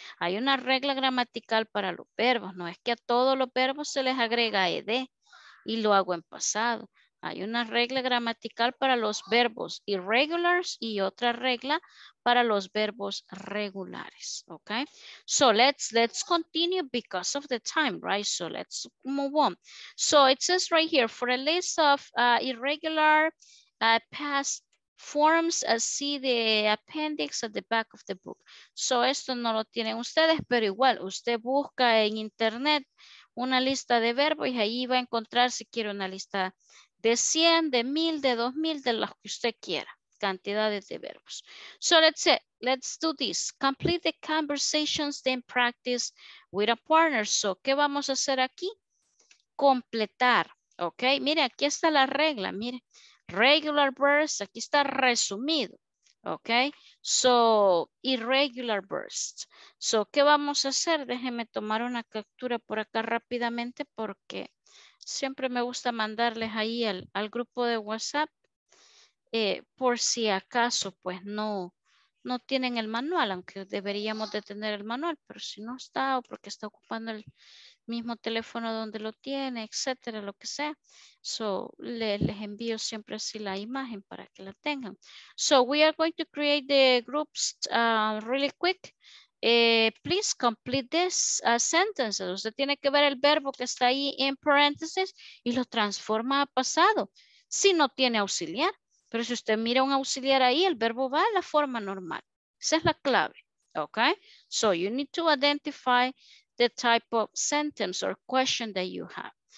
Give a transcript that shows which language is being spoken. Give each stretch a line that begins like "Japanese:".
Spanish: Hay una regla gramatical para los verbos. No es que a todos los verbos se les agrega ed y lo hago en pasado. Hay una regla gramatical para los verbos irregulars y otra regla para los verbos regulares, okay?
English: So let's continue because of the time, right? So let's move on. So it says right here, for a list of irregular past forms, see the appendix at the back of the book.
Spanish: So esto no lo tienen ustedes, pero igual usted busca en internet una lista de verbos y ahí va a encontrar si quiere una lista de 100, de 1000, de 2000, de los que usted quiera, cantidades de verbos.
English: So let's say, let's do this. Complete the conversations, then practice with a partner.
Spanish: So, ¿qué vamos a hacer aquí? Completar, ¿ok? Mire, aquí está la regla, mire. Regular verbs, aquí está resumido, ¿ok?
English: So, irregular verbs.
Spanish: So, ¿qué vamos a hacer? Déjeme tomar una captura por acá rápidamente porque siempre me gusta mandarles ahí al grupo de WhatsApp por si acaso pues no tienen el manual, aunque deberíamos de tener el manual, pero si no está o porque está ocupando el mismo teléfono donde lo tiene, etcétera, lo que sea. So, les envío siempre así la imagen para que la tengan.
English: So, we are going to create the groups really quick. Please complete this sentence.
Spanish: Usted tiene que ver el verbo que está ahí en paréntesis y lo transforma a pasado. Si no tiene auxiliar, pero si usted mira un auxiliar ahí, el verbo va a la forma normal. Esa es la clave. Okay?
English: So you need to identify the type of sentence or question that you have.